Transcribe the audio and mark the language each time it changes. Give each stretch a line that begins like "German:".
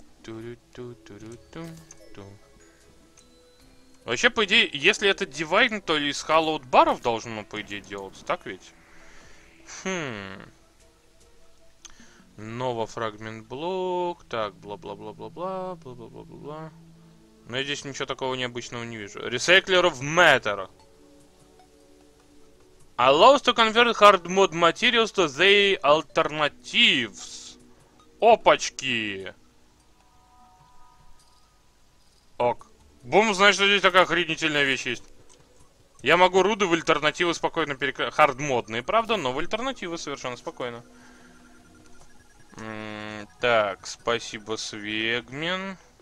Russian: Ту-ру-ту-ту-ру-ту. Вообще, по идее, если это дивайн, то из халлоуд баров должно, по идее, делаться, так ведь? Нова фрагмент блок. Так, бла-бла-бла-бла-бла, бла-бла-бла-бла-бла. Но я здесь ничего такого необычного не вижу.
English: Recycler of Matter. Allows to convert hard mod materials to their alternatives.
Russian: Опачки! Ок. Бум, значит, что здесь такая охренительная вещь есть. Я могу руды в альтернативы спокойно перекрасить. Хардмодные, правда, но в альтернативы совершенно спокойно. Так, спасибо, Свегмен.